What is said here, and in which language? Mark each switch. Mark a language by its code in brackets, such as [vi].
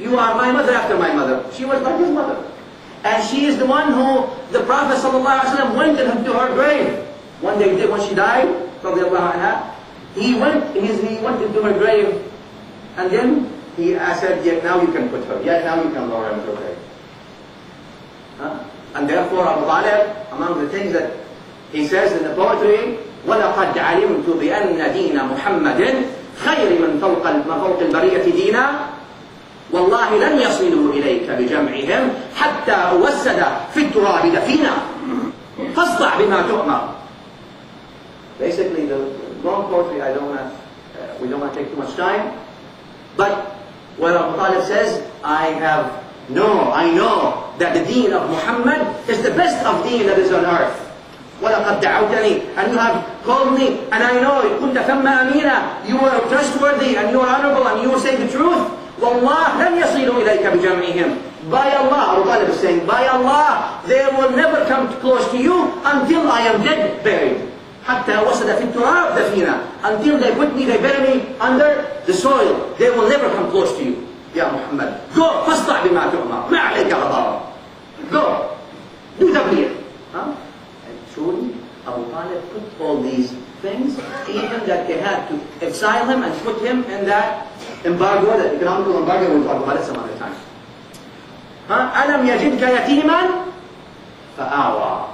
[en] You are my mother after my mother. She was like his mother. And she is the one who the Prophet صلى الله عليه وسلم went and to her grave. One day when she died, رضي الله عنها, he went into her grave. And then he said, yeah, now you can put her. Yeah, now you can lower him to her grave. And therefore, Abu Talib, among the things that he says in the poetry, [ar] وَلَقَدْ عَلِمْتُ بِأَنَّ دِينَ مُحَمَّدٍ خَيْرِ مَنْ فَوْقِ الْبَرِيَةِ دِينَ وَاللَّهِ لَنْ يَصِلُوا إِلَيْكَ بِجَمْعِهِمْ حَتَّى أُوَسَّدَ فِي التُرَابِ دَفِينَ فَاصْطَعْ بِمَا تُؤْمَرْ. [en] Basically, the long poetry, we don't want to take too much time. But what Abu Talib says, I know that the deen of Muhammad is the best of deen that is on earth. [ar] وَلَقَدْ دَعَوْتَنِي. [en] And you have called me, and I know it. [ar] كُنْتَ ثَمَّ أَمِينًا. [en] You are trustworthy, and you are honorable, and you will say the truth. [ar] وَاللَّهِ لَنْ يَصِيلُوا إِلَيْكَ بِجَمْعِهِمْ. [en] By Allah, Abu Talib is saying, by Allah, they will never come close to you until I am dead, buried. [ar] حَتَّى وَسَدَ فِي التُرَابِ دَفِينَ. [en] Until they put me, they bury me under the soil, they will never come close to you. [ar] يا محمد [en] go [ar] فاصطع بما تؤمر ما عليك غضب [en] go do [ar] تبليغ. [en] And truly Abu Talib put all these things, even that they had to exile him and put him in that embargo, that economical embargo, we'll talk about it some other time. [ar] ألم يجدك يتيما فآوى.